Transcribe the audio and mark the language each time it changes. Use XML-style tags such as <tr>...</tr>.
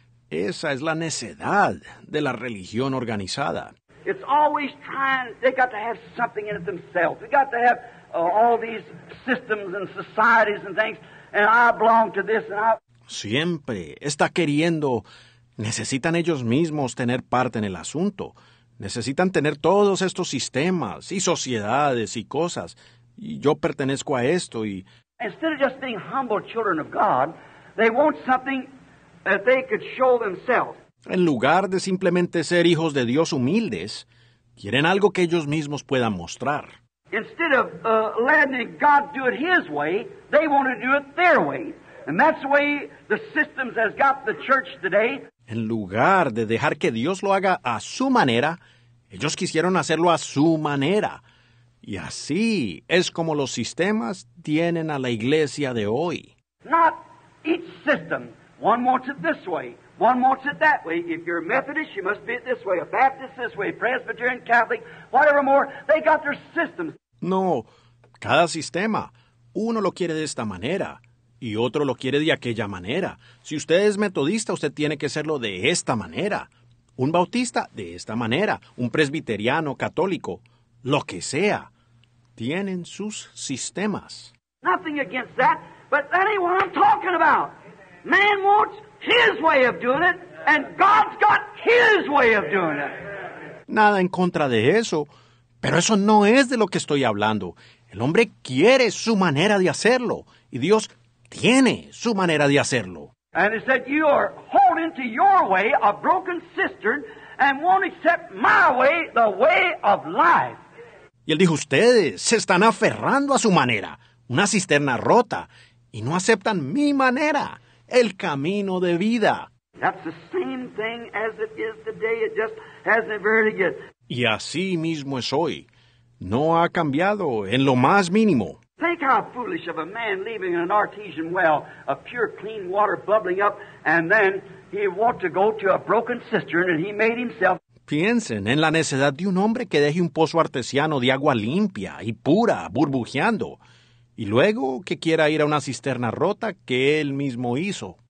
<es>Esa es la necedad de la religión organizada.</es> <en>It's always trying, they got to have something in it themselves. They got to have all these systems and societies and things, and I belong to this and I...</en> <es>Siempre está queriendo, necesitan ellos mismos tener parte en el asunto. Necesitan tener todos estos sistemas y sociedades y cosas. Y yo pertenezco a esto y...</es> <en>Instead of just being humble children of God, they want something... that they could show themselves.</en> <es>En lugar de simplemente ser hijos de Dios humildes, quieren algo que ellos mismos puedan mostrar.</es> <en>Instead of letting God do it His way, they want to do it their way. And that's the way the systems has got the church today.</en> <es>En lugar de dejar que Dios lo haga a su manera, ellos quisieron hacerlo a su manera. Y así es como los sistemas tienen a la iglesia de hoy.</es> <en>Not each system. One wants it this way. One wants it that way. If you're a Methodist, you must be it this way. A Baptist, this way. Presbyterian, Catholic, whatever more. They got their systems.</en> <es>No, cada sistema. Uno lo quiere de esta manera y otro lo quiere de aquella manera. Si usted es metodista, usted tiene que hacerlo de esta manera. un bautista de esta manera, un presbiteriano católico, lo que sea, tienen sus sistemas.</es> <en>Nothing against that, but that ain't what I'm talking about. Man wants his way of doing it, and God's got his way of doing it.</en> <es>Nada en contra de eso, pero eso no es de lo que estoy hablando. El hombre quiere su manera de hacerlo, y Dios tiene su manera de hacerlo.</es> <en>And it's that you are holding to your way, a broken cistern, and won't accept my way, the way of life.</en> <es>Y él dijo, ustedes se están aferrando a su manera, una cisterna rota, y no aceptan mi manera, el camino de vida.</es> <en>That's the same thing as it is today, it just hasn't varied yet.</en> <es>Y así mismo es hoy. No ha cambiado en lo más mínimo.</es> <en>Think how foolish of a man leaving an artesian well of pure clean water bubbling up, and then he want to go to a broken cistern, and he made himself.</en> <es>Piensen en la necedad de un hombre que deje un pozo artesiano de agua limpia y pura, burbujeando, y luego que quiera ir a una cisterna rota que él mismo hizo.</es>